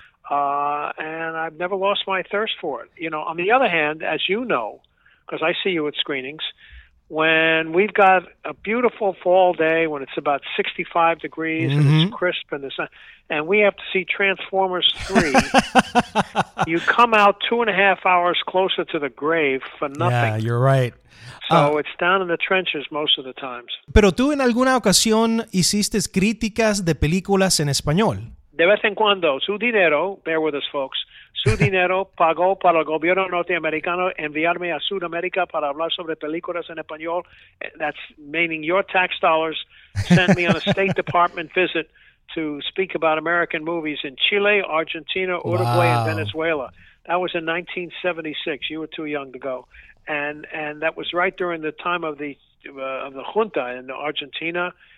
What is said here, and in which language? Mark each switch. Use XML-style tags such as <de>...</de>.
<en>And I've never lost my thirst for it. You know, on the other hand, as you know, because I see you at screenings, when we've got a beautiful fall day, when it's about 65 degrees and it's crisp and the sun, and we have to see Transformers 3, you come out 2.5 hours closer to the grave for nothing. Yeah, you're right. So it's down in the trenches most of the times.</en> <es>Pero tú en alguna ocasión hiciste críticas de películas en español. De vez en cuando, su dinero,</es> <en>bear with us folks,</en> <es>su dinero pagó para el gobierno norteamericano enviarme a Sudamérica para hablar sobre películas en español.</es> <en>That's meaning your tax dollars sent me on a State Department visit to speak about American movies in Chile, Argentina, Uruguay, and Venezuela. That was in 1976. You were too young to go. And that was right during the time of the junta in Argentina.</en>